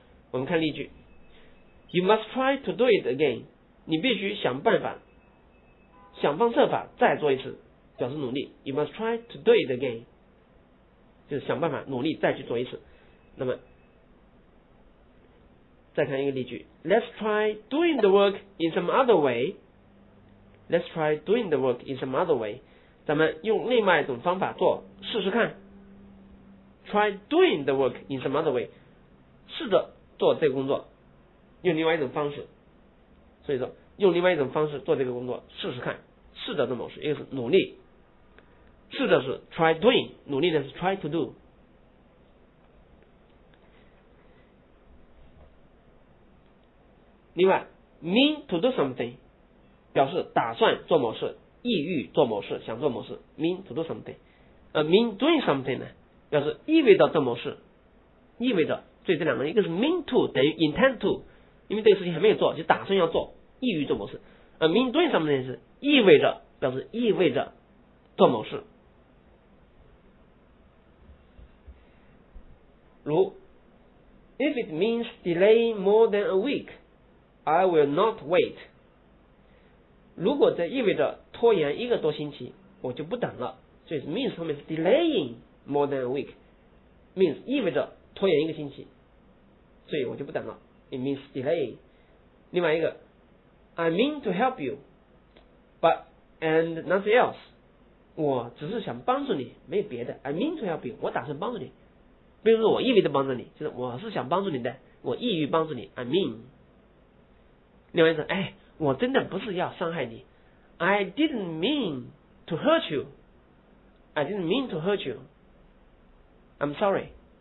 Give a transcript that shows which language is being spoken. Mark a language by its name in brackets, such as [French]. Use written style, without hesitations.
[Chinese] 我们看例句。 [English] You must try to do it again. [Chinese] 你必须想办法，想方设法再做一次，表示努力。 [English] You must try to do it again. [Chinese] 就是想办法努力再去做一次。那么再看一个例句。 [English] Let's try doing the work in some other way. Let's try doing the work in some other way. [Chinese] 咱们用另外一种方法做试试看。 [English] Try doing the work in some other way. [Chinese] 试着做这个工作。用另外一种方式，所以说用另外一种方式做这个工作，试试看，试着这么说，一个是努力，试着是 try doing， 努力的是 try to do。另外 mean to do something 表示打算做某事，意欲做某事，想做某事。 mean to do something， mean doing something 呢，表示意味着这某事，意味着。所以这两个，一个是 mean to 等于 intend to，因为这个事情还没有做，就打算要做，意欲做某事。 mean doing something 是意味着，表示意味着做某事。 [English] 如 If it means delaying more than a week, I will not wait. [Chinese] 如果这意味着拖延一个多星期，我就不等了。所以 means 后面是 [English] delaying more than a week， [Chinese] means 意味着拖延一个星期，所以我就不等了。 [English] It means delay. 另外一个 I mean to help you but and nothing else. [Chinese] 我只是想帮助你，没有别的。 [English] I mean to help you， [Chinese] 我打算帮助你，并不是我意味着帮助你，就是我是想帮助你的，我意欲帮助你。I mean。另外一个，哎，我真的不是要伤害你。 [English] I didn't mean to hurt you. I didn't mean to hurt you. I'm sorry.